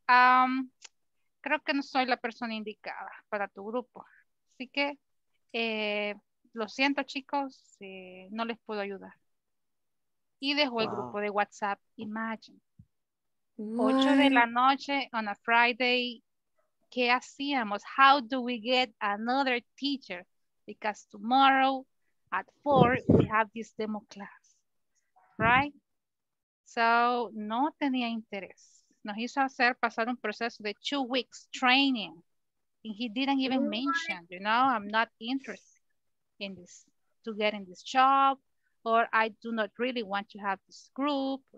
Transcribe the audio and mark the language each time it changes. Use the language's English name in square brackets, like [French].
[Spanish] Creo que no soy la persona indicada para tu grupo. Así que, lo siento, chicos, no les puedo ayudar. Y dejó el grupo de WhatsApp, [English] imagine. [Spanish] 8 de la noche [English] on a Friday, [Spanish] ¿qué hacíamos? [English] How do we get another teacher? Because tomorrow at 4, we have this demo class, right? [Spanish] So, no tenía interés. Nos hizo hacer pasar un proceso de [English] 2 weeks training. And he didn't even mention, you know, I'm not interested in this, to get in this job, or I do not really want to have this group.